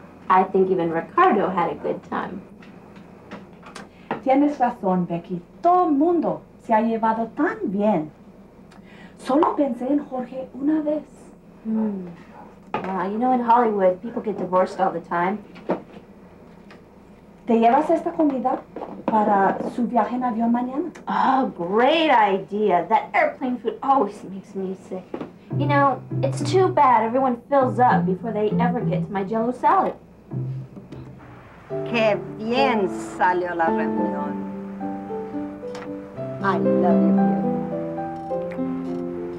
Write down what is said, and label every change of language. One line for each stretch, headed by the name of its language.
English: I think even Ricardo had a good time.
Spanish: Tienes razón, Becky. Todo el mundo se ha llevado tan bien. Solo pensé en Jorge una vez.
English: You know, in Hollywood, people get divorced all the time.
Spanish: ¿Te llevas esta comida para su viaje en avión mañana?
English: Oh, great idea. That airplane food always makes me sick. You know, it's too bad everyone fills up before they ever get to my jello salad.
Spanish: Qué bien salió la reunión.
English: I love you, viejo.